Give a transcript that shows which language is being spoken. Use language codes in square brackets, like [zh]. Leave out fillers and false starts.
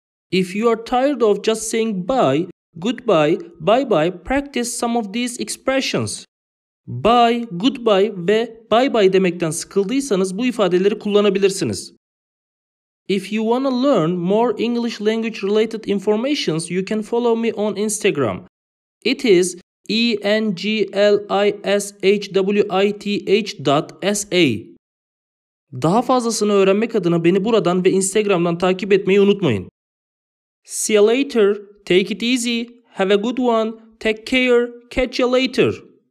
[en] If you are tired of just saying bye, goodbye, bye-bye, practice some of these expressions. [tr] Bye, goodbye ve bye-bye demekten sıkıldıysanız bu ifadeleri kullanabilirsiniz. [en] If you want to learn more English language related informations, you can follow me on Instagram. It is englishwith.sa. [tr] Daha fazlasını öğrenmek adına beni buradan ve Instagram'dan takip etmeyi unutmayın. [en] See you later. Take it easy. Have a good one. Take care. Catch you later.